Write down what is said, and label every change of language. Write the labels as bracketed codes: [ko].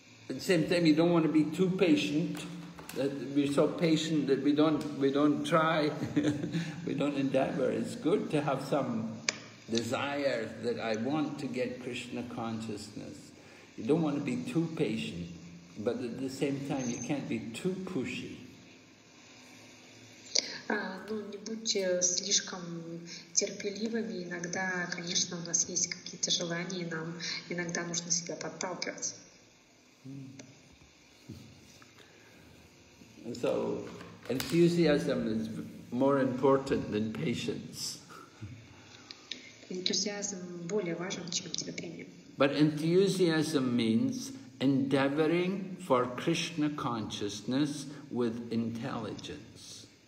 [en] At the same time, you don't want to be too patient. We're so patient that we don't try, we don't endeavor. It's good to have some desire that I want to get Krishna consciousness. You don't want to be too patient, but at the same time, you can't be too pushy. [ru] Ну, не будьте слишком терпеливыми. Иногда, конечно, у нас есть какие-то желания, и нам иногда нужно себя подталкивать. [en] So, enthusiasm is more important than patience. [ru] Энтузиазм более важен, чем терпение. [en] But enthusiasm means endeavoring for Krishna consciousness with intelligence.